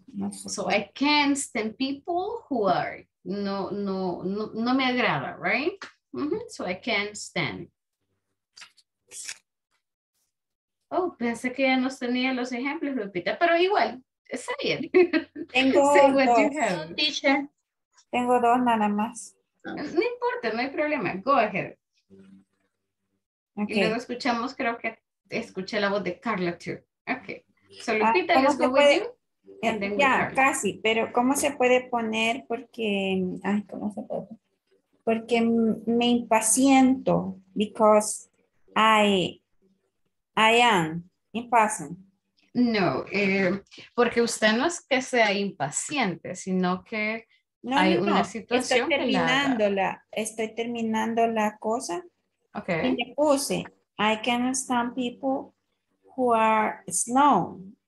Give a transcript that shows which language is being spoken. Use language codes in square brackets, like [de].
[en] Oh, so I can't stand people who are [es] no me agrada, [en] right? Mm-hmm. So I can't stand. [es] Oh, pensé que ya no tenía los ejemplos, Lupita, pero igual, [en] say it. [es] Tengo [en] say what you have. [es] Tengo dos nada más. No importa, no hay problema. [en] Go ahead. [es] Okay. Y luego escuchamos, creo que escuché la voz de Carla too. [en] Okay. So Lupita, let's go with you. [es] Ya, casi, pero ¿cómo se puede poner? Porque, ay, ¿cómo se puede? Porque me impaciento, [en] because I am impatient. [es] No, porque usted no es que sea impaciente, sino que no, hay no, una situación. Estoy terminando estoy terminando la cosa. [en] Okay. [es] Y le puse, [en] I can understand people who are slow.